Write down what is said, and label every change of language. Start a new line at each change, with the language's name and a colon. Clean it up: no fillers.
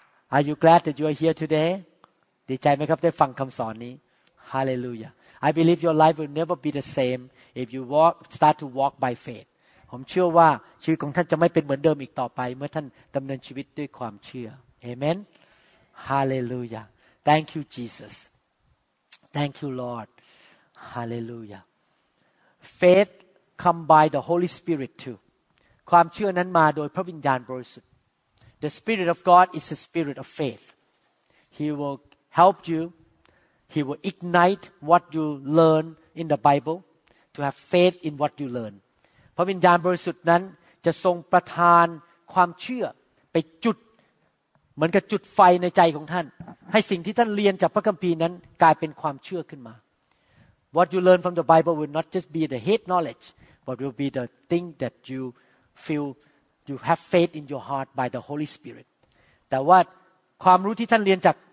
English: Are you glad that you are here today?
Thai: ดีใจไหมครับได้ฟังคำสอนนี้ Hallelujah.
English: I believe your life will never be the same if you start to walk by faith.
Thai: ผมเชื่อว่าชีวิตของท่านจะไม่เป็นเหมือนเดิมอีกต่อไปเมื่อท่านดำเนินชีวิตด้วยความเชื่อ Amen.
English: Hallelujah. Thank you, Jesus. Thank you, Lord. Hallelujah. Faith come by the Holy Spirit too.
Thai: ความเชื่อนั้นมาโดยพระวิญญาณบริสุทธิ์
English: The Spirit of God is the Spirit of faith. He will help you. He will ignite what you learn in the Bible to have faith in what you learn.
Thai: พระวิญญาณบริสุทธิ์นั้นจะทรงประทานความเชื่อไปจุดเหมือนกับจุดไฟในใจของท่านให้สิ่งที่ท่านเรียนจากพระคัมภีร์นั้นกลายเป็นความเชื่อขึ้นมา
English: What you learn from the Bible will not just be the head knowledge, but will be the thing that you feel you have faith in your heart by the Holy Spirit.
Thai: แต่ว่าความรู้ที่ท่านเรียนจาก